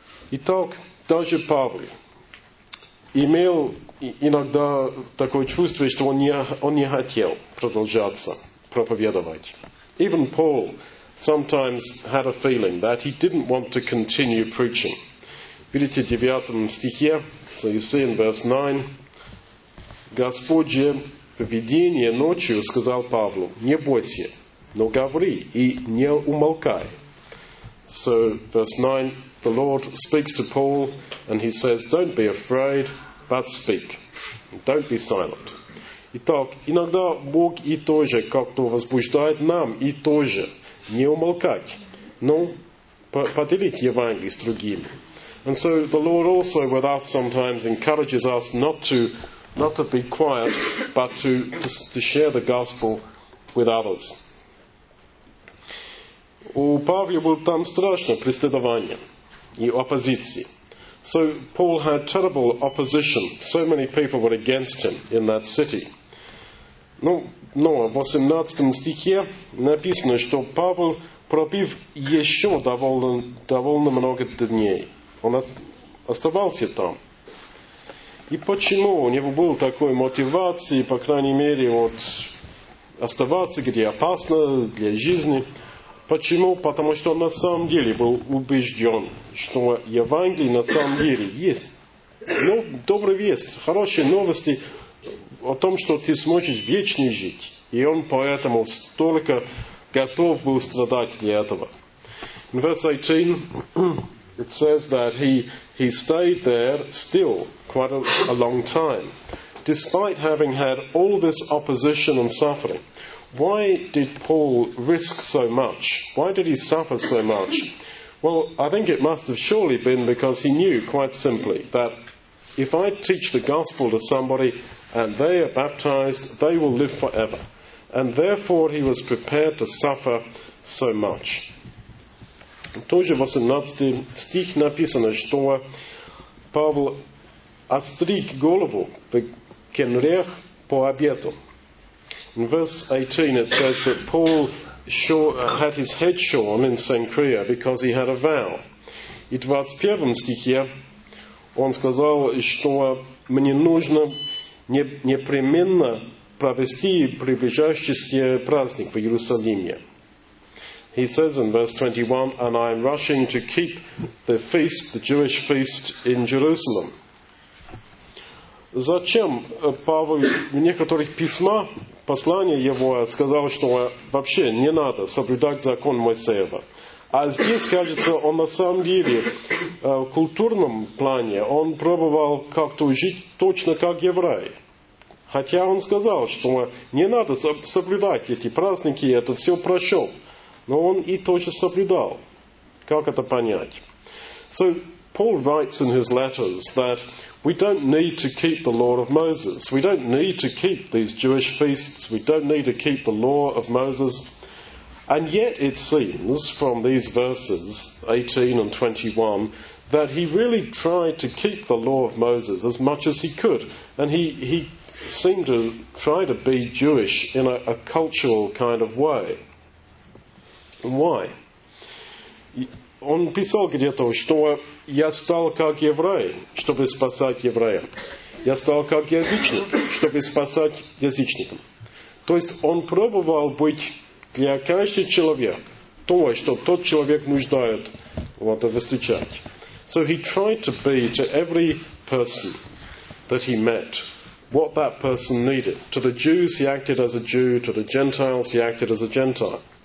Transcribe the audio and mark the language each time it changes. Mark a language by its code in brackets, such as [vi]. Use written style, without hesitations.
[ru] Итак, даже Павел имел иногда такое чувство, что он не хотел продолжаться проповедовать. [en] Even Paul sometimes had a feeling that he didn't want to continue preaching. [ru] Видите в девятом стихе, [en] so you see in verse 9, [ru] Господь в видение ночью сказал Павлу, не бойся, но говори и не умолкай. [en] So verse 9, the Lord speaks to Paul and he says, don't be afraid, but speak. Don't be silent. [ru] Итак, иногда Бог и тоже как-то возбуждает нам и тоже не умолкать, но поделить Евангелие с другими. [en] And so the Lord also with us sometimes encourages us not to be quiet, but to share the gospel with others. [ru] У Павла было там страшное преследование и оппозиции. [en] So Paul had terrible opposition. So many people were against him in that city. [ru] Но в 18 стихе написано, что Павел пробыл еще довольно много дней. Он оставался там. И почему у него было такой мотивации, по крайней мере, вот оставаться, где опасно для жизни? Почему? Потому что он на самом деле был убежден, что Евангелие на самом деле есть. Ну, добрая весть, хорошие новости о том, что ты сможешь вечно жить. И он поэтому столько готов был страдать для этого. [en] In verse 18, it says that he stayed there still quite a long time, despite having had all this opposition and suffering. Why did Paul risk so much? Why did he suffer so much? Well, I think it must have surely been because he knew quite simply that if I teach the gospel to somebody and they are baptized, they will live forever. And therefore he was prepared to suffer so much. [ru] Тоже 18 стих написано, что Павел остриг голову в Кенрех по обету. [en] In verse 18 it says that Paul had his head shorn in Cenchrea because he had a vow. [ru] И 21 стихе он сказал, что мне нужно непременно провести приближающийся праздник в Иерусалиме. [en] He says in verse 21, and I am rushing to keep the feast, the Jewish feast in Jerusalem. [ru] Зачем Павел в некоторых письмах, послание его, сказал, что вообще не надо соблюдать закон Моисеева? А здесь, кажется, он на самом деле в культурном плане, он пробовал как-то жить точно как еврей. Хотя он сказал, что не надо соблюдать эти праздники, это все прошел. Но он и тоже соблюдал. Как это понять? [en] So, Paul writes in his letters that we don't need to keep the law of Moses. We don't need to keep these Jewish feasts. We don't need to keep the law of Moses. And yet it seems from these verses, 18 and 21, that he really tried to keep the law of Moses as much as he could. And he seemed to try to be Jewish in a cultural kind of way. Why? [ru] Он писал где-то, что я стал как еврей, чтобы спасать еврея. Я стал как язычник, чтобы спасать язычника. То есть он пробовал быть для каждого человека то, что тот человек нуждает, вот, встречать. [en] So he tried to be to every person that he met what that person needed. To the Jews he acted as a Jew, to the Gentiles he acted as a Gentile.